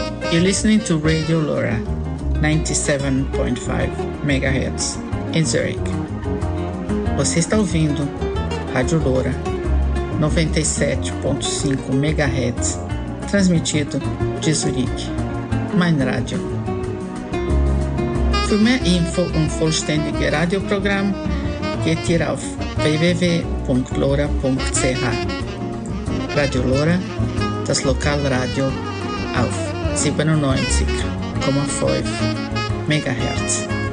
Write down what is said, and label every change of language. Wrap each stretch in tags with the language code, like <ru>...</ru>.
<en>You're listening to Radio Loura, 97.5 MHz, in Zurich.</en> <pt>Você está ouvindo Rádio Loura, 97.5 MHz, transmitido de Zurique, Main Radio.</pt> <de>Für mehr Info und vollständige Radioprogramm geht ihr auf www.loura.ch. Radio Loura, das Lokalradio auf 97,5 MHz.</de>